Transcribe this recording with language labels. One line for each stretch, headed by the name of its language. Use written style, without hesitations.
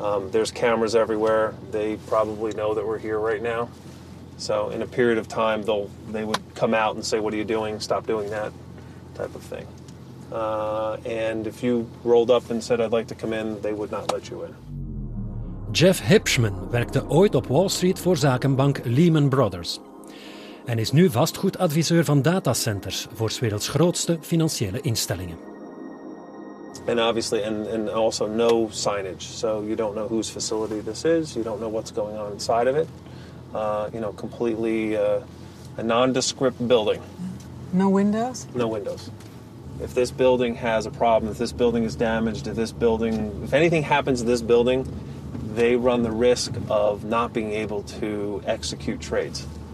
English: There's cameras everywhere. They probably know that we're here right now. So in a period of time, they would come out and say, what are you doing? Stop doing that type of thing. And if you rolled up and said, I'd like to come in, they would not let you in.
Dutch: Jeff Hipschman werkte ooit op Wall Street voor zakenbank Lehman Brothers en is nu vastgoedadviseur van datacenters voor 's werelds grootste financiële instellingen.
English: And obviously, and also no signage, so you don't know whose facility this is, you don't know what's going on inside of it. Completely a nondescript building. No windows? No windows. If this building has a problem, if this building is damaged, if anything happens to this building, they run the risk of not being able to execute trades.